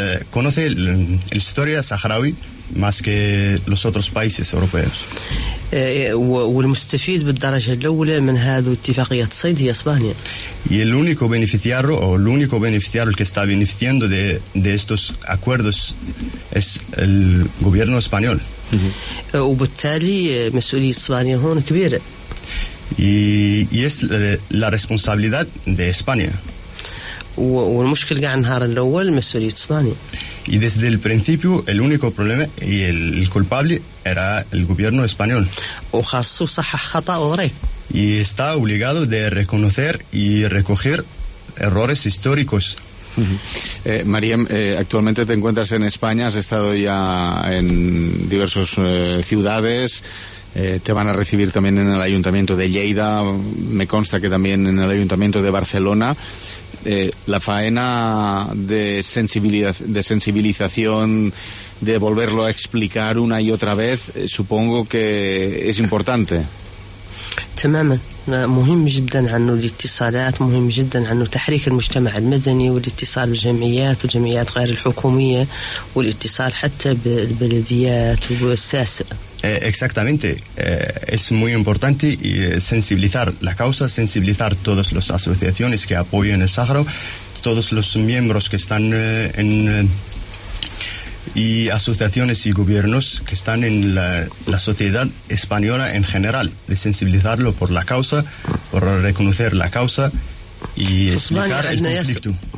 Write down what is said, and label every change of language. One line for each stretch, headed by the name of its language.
Spanish: conoce la historia saharaui más que los otros países europeos.
Arabic: والمستفيد بالدرجة الأولى من هذه اتفاقية الصيد هي إسبانيا.
Spanish: Y el único beneficiario o el único beneficiario que está beneficiando de estos acuerdos es el gobierno español.
Arabic: وبالتالي مسؤولية إسبانيا هون كبيرة.
Spanish: Y es la responsabilidad de España.
Arabic: والمشكلة قاع النهار الأول مسؤولية إسبانيا.
Spanish: Y desde el principio el único problema y el culpable era el gobierno español. Y está obligado de reconocer y recoger errores históricos. Mariam, actualmente te encuentras en España, has estado ya en diversas ciudades. Te van a recibir también en el Ayuntamiento de Lleida. Me consta que también en el Ayuntamiento de Barcelona. La faena de sensibilización, de volverlo a explicar una y otra vez, supongo que es importante.
Arabic: تماما مهم جدا عنه الاتصالات مهم جدا عنه تحريك المجتمع المدني والاتصال بالجمعيات والجمعيات غير الحكومية والاتصال حتى بالبلديات والساسة.
Spanish: Exactamente, es muy importante sensibilizar la causa, sensibilizar todas las asociaciones que apoyan el Sáhara, todos los miembros que están en y asociaciones y gobiernos que están en la sociedad española en general, de sensibilizarlo por la causa, por reconocer la causa y explicar el conflicto.